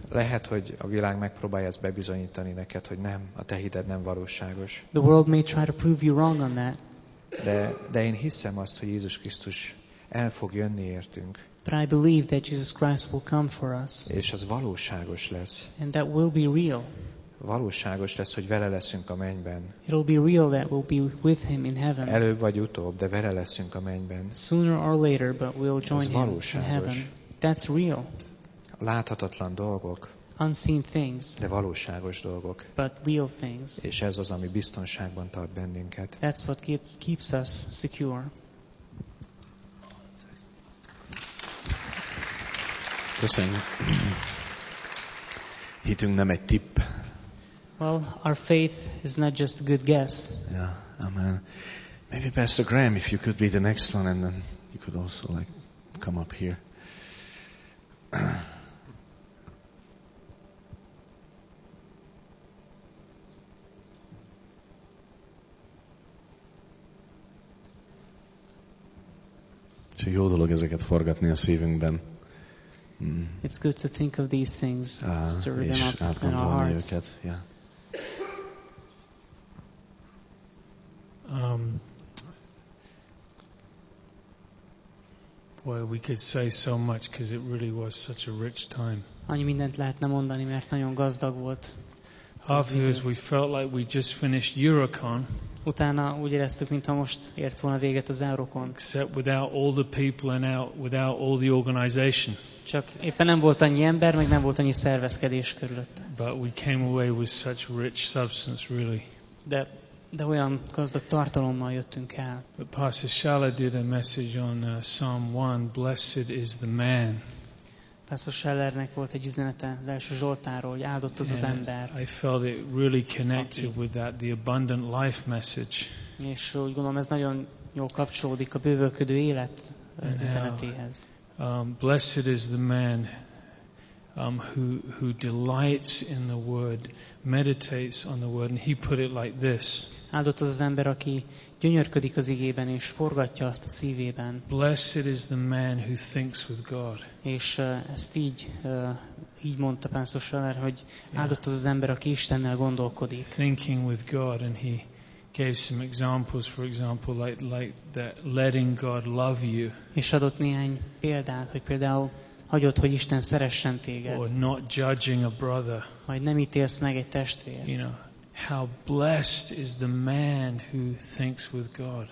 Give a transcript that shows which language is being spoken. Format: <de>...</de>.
<hu>Lehet, hogy a világ megpróbálja ezt bebizonyítani neked, hogy nem, a te hited nem valóságos.</hu> <en>The world may try to prove you wrong on that.</en> <hu>De én hiszem azt, hogy Jézus Krisztus el fog jönni értünk.</hu> <en>But I believe that Jesus Christ will come for us.</en> <hu>És az valóságos lesz.</hu> <en>And that will be real.</en> <hu>Valóságos lesz, hogy vele leszünk a mennyben.</hu> <en>It'll be real that we'll be with him in heaven.</en> <hu>Előbb vagy utóbb, de vele leszünk a mennyben.</hu> <en>Sooner or later, but we'll join him in heaven. That's real.</en> <hu>Láthatatlan dolgok.</hu> <en>Unseen things.</en> <hu>De valóságos dolgok.</hu> <en>But real things.</en> <hu>És ez az, ami biztonságban tart bennünket.</hu> <en>That's what keeps us secure.</en> <hu>Köszönjük. Hitünk nem egy tipp.</hu> <en>Well, our faith is not just a good guess. Yeah, amen. Maybe Pastor Graham, if you could be the next one, and then you could also like come up here.</en> <hu>És jó dolog ezeket forgatni a szívünkben.</hu> <en>It's good to think of these things, stir them up in our hearts.</en> <hu>Őket.</hu> <en>Yeah. Well, we could say so much because it really was such a rich time.</en> <hu>Annyi mindent lehetne mondani, mert nagyon gazdag volt.</hu> <en>Afterwards, we felt like we just finished Eurocon.</en> <hu>Utána úgy éreztük, mintha most ért volna véget az Eurocon.</hu> <en>Except without all the people and without all the organization.</en> <hu>Csak éppen nem volt annyi ember, meg nem volt annyi szervezkedés körülötte.</hu> <en>But we came away with such rich substance, really.</en> <hu>De olyan gazdag tartalommal jöttünk el.</hu> <en>But Pastor Shala did a message on Psalm 1, blessed is the man.</en> <hu>Pastor Schellernek volt egy üzenete az első Zsoltáról, hogy áldott az ember.</hu> <en>I felt it really connected with that, the abundant life message.</en> <hu>És úgy gondolom, ez nagyon jól kapcsolódik a bővölködő élet üzenetéhez.</hu> <en>Blessed is the man who delights in the word, meditates on the word, and he put it like this.</en> <hu>Áldott az ember, aki gyönyörködik az igében és forgatja azt a szívében.</hu> <en>Blessed is the man who thinks with God.</en> <hu>És ezt így mondta Pastor Scheller, hogy yeah. Áldott az ember, aki Istennel gondolkodik.</hu> <en>Thinking with God, and he gave some examples, for example, like that letting God love you.</en> <hu>És adott néhány példát, hogy például hagyod, hogy Isten szeressen téged.</hu> <en>Or not judging a brother.</en> <hu>Majd nem ítélsz meg egy testvért.</hu> <en>You know, how blessed is the man who thinks with God.</en>